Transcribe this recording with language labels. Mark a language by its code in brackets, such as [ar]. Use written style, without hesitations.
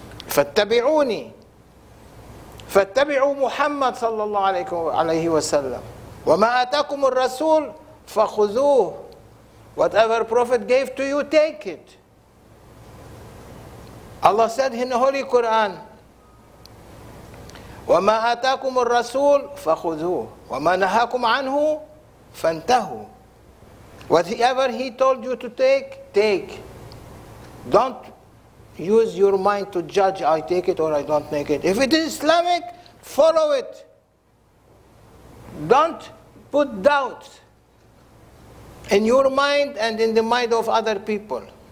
[ar] فاتبعوني فاتبعوا محمد صلى الله عليه وسلم وما آتاكم الرسول فخذوه. [en] Whatever Prophet gave to you, take it. Allah said in the Holy Quran, [ar] وما آتاكم الرسول فخذوه وما نهاكم عنه فانتهوا. [en] Whatever he told you to take, take. Don't use your mind to judge, I take it or I don't take it. If it is Islamic, follow it. Don't put doubts in your mind and in the mind of other people.